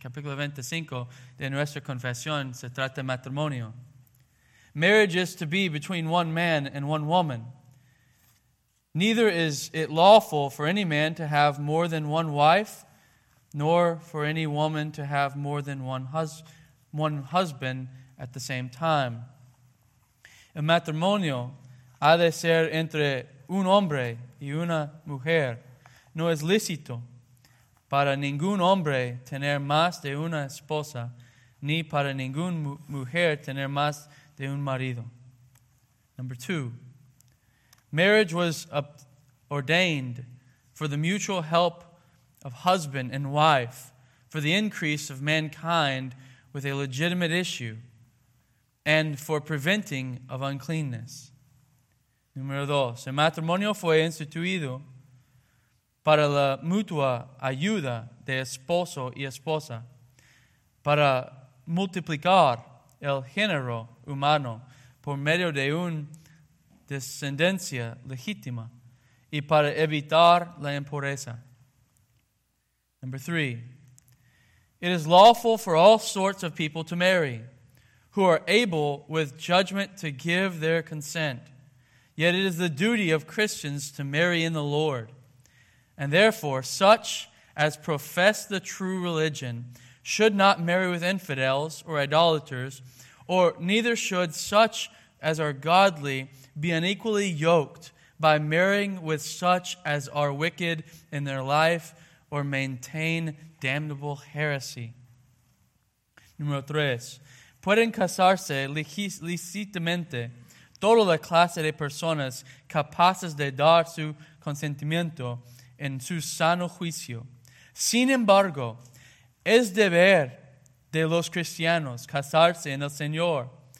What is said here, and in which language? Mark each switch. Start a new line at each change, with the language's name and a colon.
Spanish: Capítulo 25 de nuestra confesión se trata de matrimonio.
English: Marriage is to be between one man and one woman. Neither is it lawful for any man to have more than one wife, nor for any woman to have more than one husband at the same time.
Spanish: El matrimonio ha de ser entre un hombre y una mujer. No es lícito para ningún hombre tener más de una esposa, ni para ninguna mujer tener más de un marido.
English: Number two, marriage was ordained for the mutual help of husband and wife, for the increase of mankind with a legitimate issue, and for preventing of uncleanness.
Spanish: Número dos. El matrimonio fue instituido para la mutua ayuda de esposo y esposa, para multiplicar el género humano por medio de una descendencia legítima y para evitar la impureza.
English: Number three. It is lawful for all sorts of people to marry, who are able with judgment to give their consent. Yet it is the duty of Christians to marry in the Lord. And therefore, such as profess the true religion should not marry with infidels or idolaters, or neither should such as are godly be unequally yoked by marrying with such as are wicked in their life or maintain damnable heresy.
Spanish: Número tres. Pueden casarse lícitamente toda la clase de personas capaces de dar su consentimiento en su sano juicio. Sin embargo, es deber de los cristianos casarse en el Señor.